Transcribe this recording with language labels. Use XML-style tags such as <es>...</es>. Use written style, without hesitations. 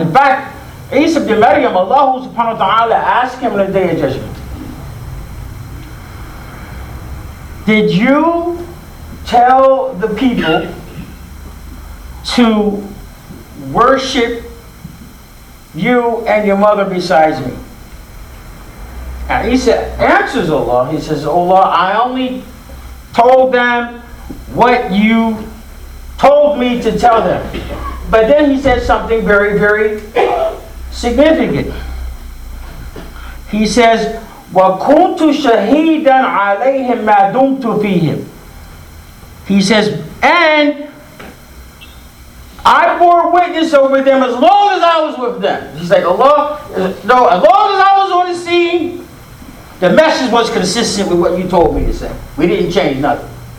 <en>In fact, Isa ibn Maryam, Allah subhanahu wa ta'ala asked him on the day of judgment, did you tell the people to worship you and your mother besides me? And Isa answers Allah. He says, Allah, I only told them what you told me to tell them. But then he said something very, very significant. He says,</en> <ar>وَكُنْتُ شَهِيدًا عَلَيْهِمْ مَا دُمْتُ فِيهِمْ.</ar> <en>He says, and I bore witness over them as long as I was with them. He's like, as long as I was on the scene, the message was consistent with what you told me to say. We didn't change nothing.</en>